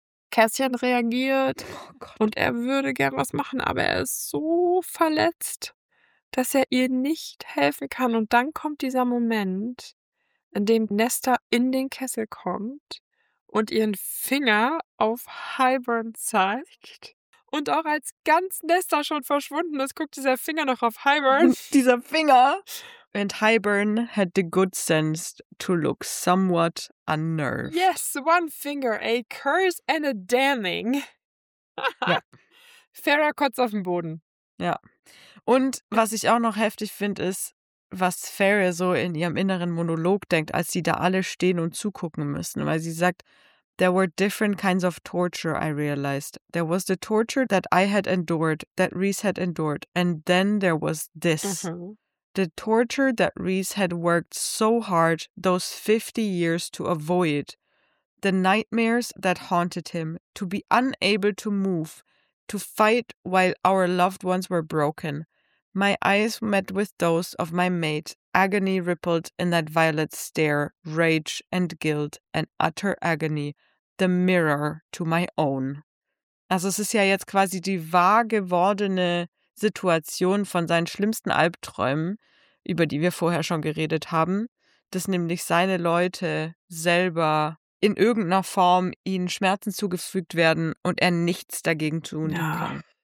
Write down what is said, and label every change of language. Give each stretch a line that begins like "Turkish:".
German: Cassian reagiert und er würde gern was machen, aber er ist so verletzt, dass er ihr nicht helfen kann. Und dann kommt dieser Moment, in dem Nesta in den Kessel kommt und ihren Finger auf Highburn zeigt. Und auch als ganz Nesta schon verschwunden ist, guckt dieser Finger noch auf Highburn. Dieser Finger.
English: And Highburn had the good sense to look somewhat unnerved. Yes, one finger, a curse and a damning.
German: Farrah kotzt auf den Boden. Ja. Und was ich auch noch heftig finde, ist, was Farrah so in ihrem inneren Monolog denkt, als sie da alle stehen und zugucken müssen, weil sie sagt,
English: there were different kinds of torture, I realized. There was the torture that I had endured, that Rhys had endured, and then there was this. The torture that Rhys had worked so hard those 50 years to avoid. The nightmares that haunted him, to be unable to move, to fight while our loved ones were broken. My eyes met with those of my mate. Agony rippled in that violet stare, rage and guilt and utter agony, the mirror to my own.
German: Also es ist ja jetzt quasi die wahr gewordene Situation von seinen schlimmsten Albträumen, über die wir vorher schon geredet haben, dass nämlich seine Leute selber in irgendeiner Form ihnen Schmerzen zugefügt werden und er nichts dagegen tun kann.